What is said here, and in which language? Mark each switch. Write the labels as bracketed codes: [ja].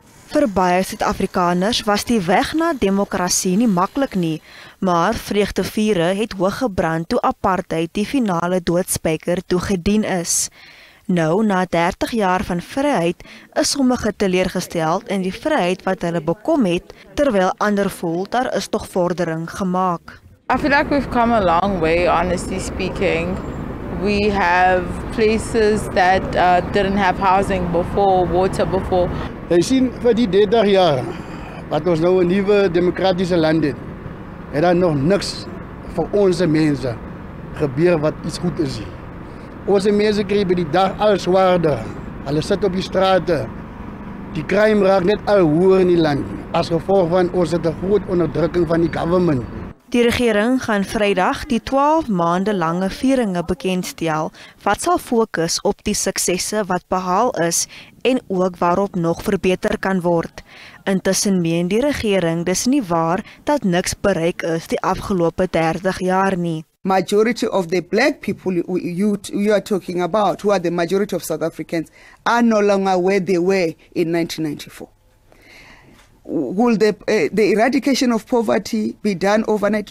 [af] Vir baie Suid-Afrikaners was die weg na demokrasie nie maklik nie, maar vreugdevure het hoog gebrand toe apartheid die finale doodspyker toegedien is. Nou, na 30 jaar van vryheid, is sommige teleurgesteld in die vryheid wat hulle bekom het, terwyl ander voel daar is tog vordering gemaak. [en] I feel like we've come a long way, honestly speaking. We have places that didn't have housing before, water before. [af] Jy sien, vir die 30 jaar, wat ons nou 'n nuwe demokratiese land het, het daar nog niks vir ons mense gebeur wat iets goed is. Ons mense kry by die dag al swaarder. Hulle sit op die strate. Die crime raak net al hoër in die land, as gevolg van ons het 'n groot onderdrukking van die government. Die regering gaan Vrydag die 12 maande lange vieringe bekendstel wat sal fokus op die suksesse wat behaal is en ook waarop nog verbeter kan word. Intussen meen die regering dis nie waar dat niks bereik is die afgelope 30 jaar nie. [en] Majority of the black people you are talking about, who are the majority of South Africans, are no longer where they were in 1994. Will the eradication of poverty be done overnight?